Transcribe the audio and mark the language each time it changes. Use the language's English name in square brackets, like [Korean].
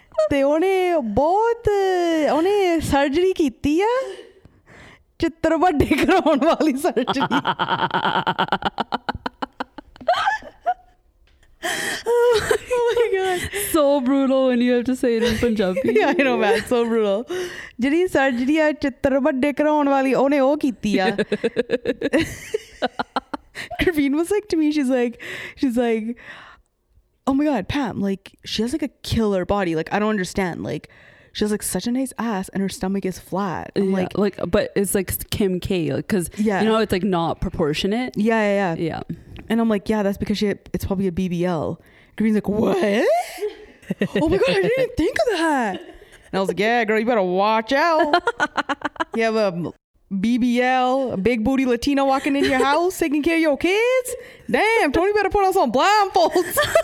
[Punjabi] ਤੇ ਉਹਨੇ ਬਹੁਤ ਉਹਨੇ ਸਰਜਰੀ ਕੀਤੀ ਆ ਚਿੱਤਰ ਵੱਡੇ ਕਰਾਉਣ ਵਾਲੀ surgery [English] Oh my god, so brutal when you have to say it in Punjabi. Yeah, I know, man, so brutal. [Punjabi] ਜਿਹੜੀ ਸਰਜਰੀ ਆ ਚਿੱਤਰ ਵੱਡੇ ਕਰਾਉਣ ਵਾਲੀ ਉਹਨੇ ਉਹ ਕੀਤੀ ਆ [English] Karveen was like to me, she's like oh my god, Pam, like, she has like a killer body. Like, I don't understand. Like, she has like such a nice ass and her stomach is flat. I'm like, but it's like Kim K, because, like, yeah, you know, it's like not proportionate. Yeah, yeah, yeah. Yeah. And I'm like, yeah, that's because it's probably a BBL. Green's like, what? Oh my god, I didn't even think of that. And I was like, yeah, girl, you better watch out. You have a BBL, a big booty Latina walking in your house taking care of your kids. Damn, Tony better put us on blindfolds.